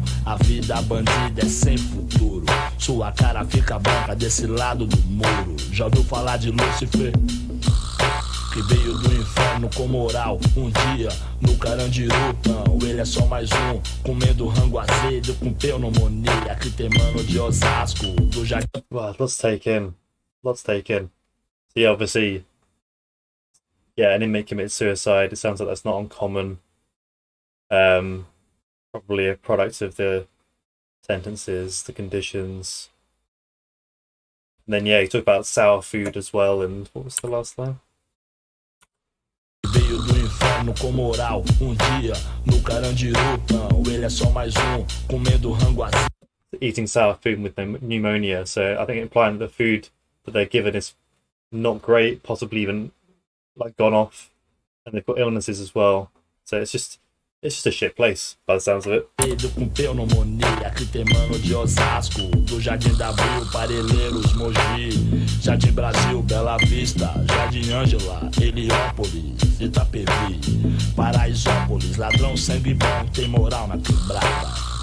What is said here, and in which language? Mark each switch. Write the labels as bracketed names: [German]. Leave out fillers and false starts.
[Portuguese] A vida bandida é sem futuro, sua cara fica branca desse lado do muro. Já ouviu falar de Lúcifer? Que veio do inferno com moral. Um dia no Carandiru, ele é só mais um, comendo rango azedo com pneumonia. Que tem mano de Osasco do Jardim. [English] Well, let's take in. See, obviously, yeah, an inmate commits suicide. It sounds like that's not uncommon. Probably a product of the sentences, the conditions. And then, yeah, you talk about sour food as well. And what was the last line? [Portuguese] No com moral, um dia no Carandiru, ele é só mais um comendo rango assim. [English] Eating sour food with pneumonia, so I think implying that the food that they're given is not great, possibly even like gone off, and they've got illnesses as well. So it's just a shit place by the sounds of it. [Portuguese] Pedro com pneumonia, que tem mano de Osasco, do Jardim da Bril, Parelheiros, Mogi, Jardim Brasil, Bela Vista, Jardim Ângela, Heliópolis, Itapevi, Paraisópolis, ladrão, sangue bom, tem moral na quebrada.